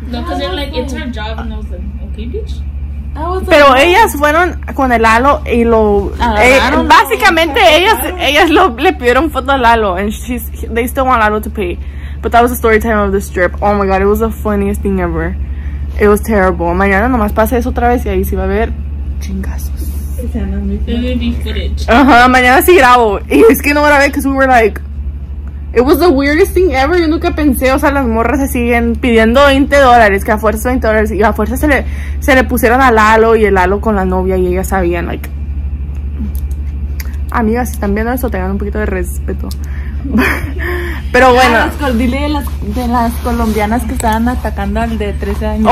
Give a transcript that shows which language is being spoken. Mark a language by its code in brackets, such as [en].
[en] No, because they're like, it's her job, and I was like, okay, bitch. [es] Pero ellas fueron con el Lalo y lo básicamente ellas lo le pidieron foto a Lalo [en] and she's they still want Lalo to pay. But that was the story time of this trip. Oh my god, it was the funniest thing ever. It was terrible. [es] Mañana nomás pasa eso otra vez y ahí sí va a haber chingazos. Mañana sí grabo. Y es que no grabé [en] because we were like, it was the weirdest thing ever. [es] Yo nunca pensé, o sea, las morras se siguen pidiendo $20, que a fuerza $20, y a fuerza se le pusieron a Lalo y el Lalo con la novia y ellas sabían, like. Amigas, si están viendo eso, tengan un poquito de respeto. Pero bueno. Dile de las colombianas que estaban atacando al de 13 años.